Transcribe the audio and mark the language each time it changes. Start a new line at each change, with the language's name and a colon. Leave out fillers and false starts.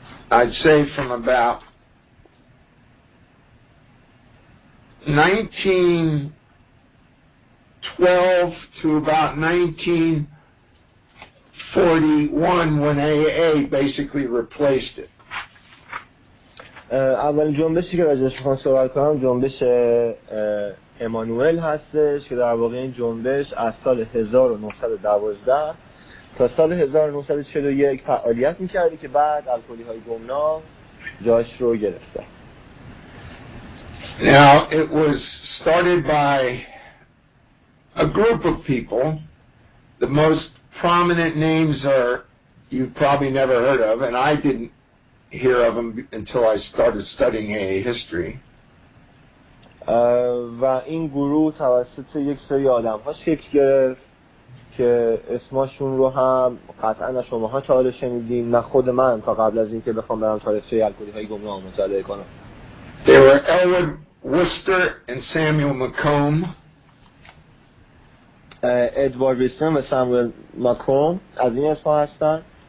English: I'd say from about 1912 to about 1941 when AA basically replaced it.
Persian: اول جنبشی که راجعش میخوام صحبت کنم جنبش امانوئل هستش که در واقع این جنبش از سال 1912 تا سال 1941 فعالیت میکردی که بعد الکلی های گمنام جاش رو گرفته.
English: Now it was started by a group of people. The most prominent names are you probably never heard of and I didn't hear of them until I started studying AA history.
Persian: و این گروه توسط یک سری آدم ها شکل گرفت که اسماشون رو هم قطعا شما ها تاله شنیدین، نه خود من تا قبل از اینکه بخوام برم تاریخچه الکلی های گمنام رو مطالعه کنم.
English: They were Elwood Wister and Samuel McComb.
Persian: Edward Wister و Samuel McComb از این اسم ها هستن.